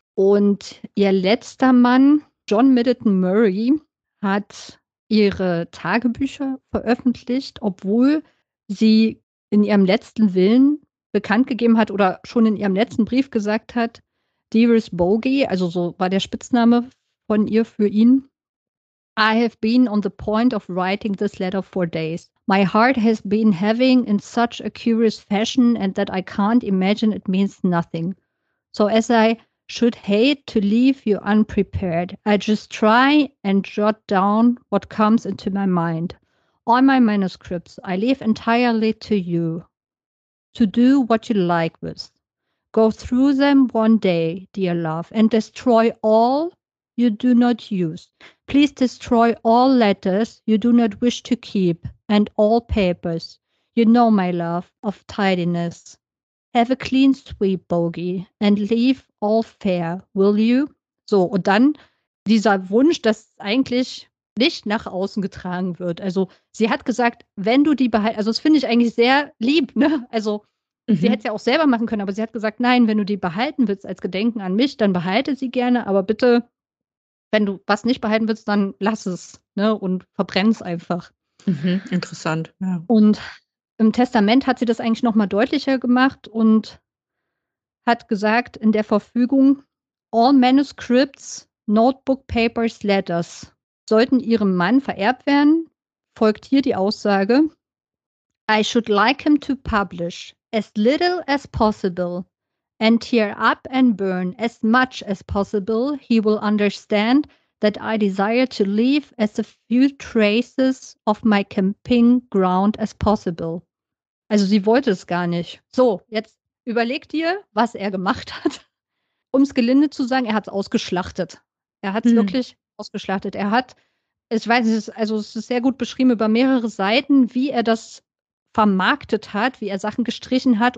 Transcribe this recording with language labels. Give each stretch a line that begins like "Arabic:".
German: Und ihr letzter Mann, John Middleton Murray, hat ihre Tagebücher veröffentlicht, obwohl sie in ihrem letzten Willen bekannt gegeben hat oder schon in ihrem letzten Brief gesagt hat,
English: Dearest Bogey,
German: also so war der Spitzname von ihr für ihn,
English: I have been on the point of writing this letter for days. My heart has been having in such a curious fashion and that I can't imagine it means nothing. So as I should hate to leave you unprepared, I just try and jot down what comes into my mind. All my manuscripts I leave entirely to you to do what you like with. Go through them one day, dear love, and destroy all you do not use. Please destroy all letters you do not wish to keep and all papers. You know, my love, of tidiness. Have a clean sweep, Bogey, and leave all fair, will you?
German: So, und dann dieser Wunsch, dass eigentlich nicht nach außen getragen wird. Also sie hat gesagt, wenn du die behalten, also das finde ich eigentlich sehr lieb, ne? Also sie hätte es ja auch selber machen können, aber sie hat gesagt, nein, wenn du die behalten willst als Gedenken an mich, dann behalte sie gerne, aber bitte, wenn du was nicht behalten willst, dann lass es, ne? Und verbrenn es einfach. Interessant, ja. Und im Testament hat sie das eigentlich noch mal deutlicher gemacht und hat gesagt in der Verfügung,
English: all manuscripts, notebook, papers, letters
German: sollten ihrem Mann vererbt werden, folgt hier die Aussage,
English: I should like him to publish as little as possible
German: and tear up and burn as much as possible.
English: He will understand that I desire to leave as a few traces of my camping ground as possible.
German: Also sie wollte es gar nicht. So, jetzt überleg dir, was er gemacht hat. Um es gelinde zu sagen, er hat es ausgeschlachtet. Er hat es wirklich ausgeschlachtet. Er hat, ich weiß nicht, also es ist sehr gut beschrieben über mehrere Seiten, wie er das vermarktet hat, wie er Sachen gestrichen hat.